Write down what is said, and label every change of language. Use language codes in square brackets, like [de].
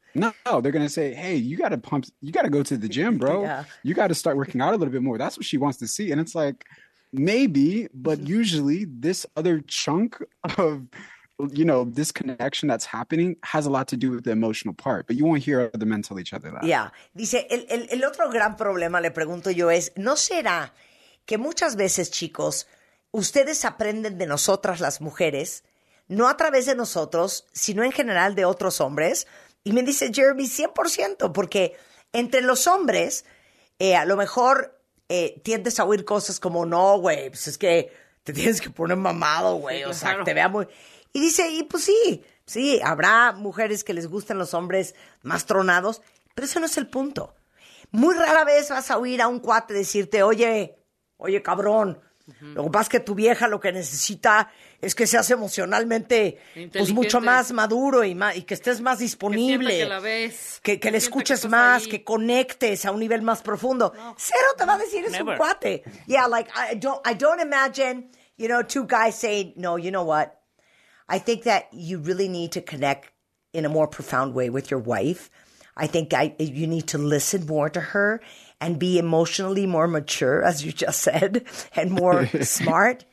[en] No, they're going to say, hey, you got to pump. You got to go to the gym, bro. Yeah. You got to start working out a little bit more. That's what she wants to see. And it's like, maybe, but usually this other chunk of, you know, this connection that's happening has a lot to do with the emotional part. But you won't hear other men tell each other that. Yeah. [es] Dice, el otro gran problema, le pregunto yo, es, ¿no será que muchas veces, chicos, ustedes aprenden de nosotras las mujeres, no a través de nosotros, sino en general de otros hombres? Y me dice Jeremy, 100%, porque entre los hombres, a lo mejor tiendes a oír cosas como, no, güey, pues es que te tienes que poner mamado, güey, sí, o sea, claro. Te vea muy... Y dice, y pues sí, habrá mujeres que les gustan los hombres más tronados, pero ese no es el punto. Muy rara vez vas a oír a un cuate decirte, oye, cabrón, lo que pasa es que tu vieja lo que necesita es que seas emocionalmente pues mucho más maduro y que estés más disponible. Que la ves. Que le escuches más, que conectes a un nivel más profundo. No. Cero te va a decir, es [en] Never. [es] Un cuate. [en] Yeah, like, I don't imagine, you know, two guys saying, no, you know what? I think that you really need to connect in a more profound way with your wife. I think you need to listen more to her and be emotionally more mature, as you just said, and more smart.